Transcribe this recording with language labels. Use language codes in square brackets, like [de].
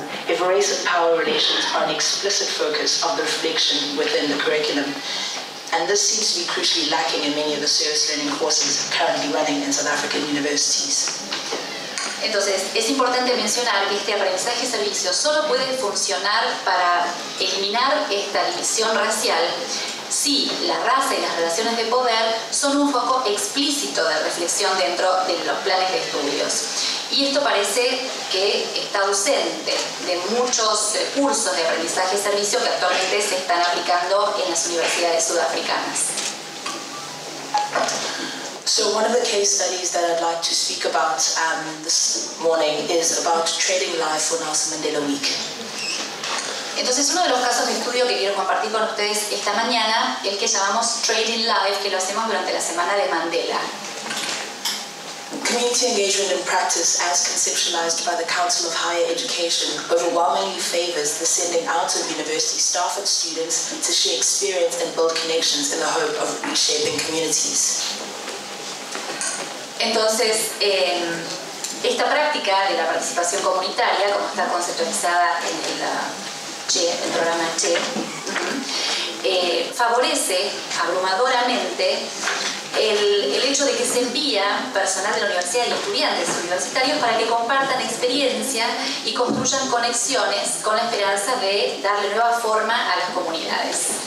[en] If race and power relations are an explicit focus of the reflection within the curriculum, and this seems to be crucially lacking in many of the service learning courses currently running in South African universities. [es] Entonces, es importante mencionar que este aprendizaje servicio solo puede funcionar para eliminar esta división racial si la raza y las relaciones de poder son un foco explícito de reflexión dentro de los planes de estudios. Y esto parece que está ausente de muchos cursos de aprendizaje y servicio que actualmente se están aplicando en las universidades sudafricanas. [en] So one of the case studies that I'd like to speak about this morning is about trading life for Nelson Mandela Week. [es] Entonces, uno de los casos de estudio que quiero compartir con ustedes esta mañana es el que llamamos Trading Life, que lo hacemos durante la Semana de Mandela. [en] Community engagement in practice, as conceptualized by the Council of Higher Education, overwhelmingly favors the sending out of university staff and students to share experience and build connections in the hope of reshaping communities. [es] Entonces, esta práctica de la participación comunitaria, como está conceptualizada en el programa CHE, favorece abrumadoramente el hecho de que se envía personal de la universidad y estudiantes universitarios para que compartan experiencia y construyan conexiones con la esperanza de darle nueva forma a las comunidades.